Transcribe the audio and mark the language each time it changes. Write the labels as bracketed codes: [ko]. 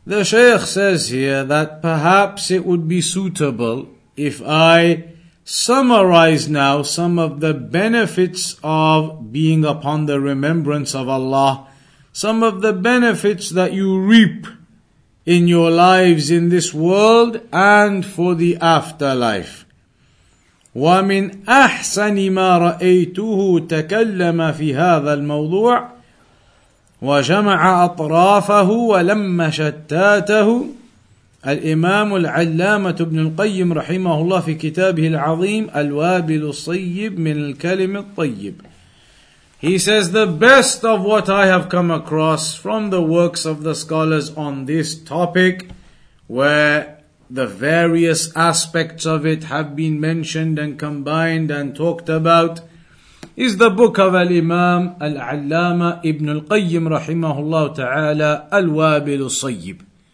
[en] The Shaykh says here that perhaps it would be suitable if I summarize now some of the benefits of being upon the remembrance of Allah, some of the benefits that you reap in your lives in this world and for the afterlife. [ar] وَمِنْ أَحْسَنِ مَا رَأَيْتُهُ تَكَلَّمَ فِي هَذَا الْمَوْضُوعِ وَجَمَعَ أَطْرَافَهُ وَلَمَّ شَتَّاتَهُ الإمام العلامة ابن القيم رحمه الله في كتابه العظيم الوابل الصيب من الكلم الطيب. [en] He says, the best of what I have come across from the works of the scholars on this topic, where the various aspects of it have been mentioned and combined and talked about, is the book of Al-Imam Al-Allama Ibn Al-Qayyim Rahimahullah Ta'ala Al-Wabil Al-Sayyib.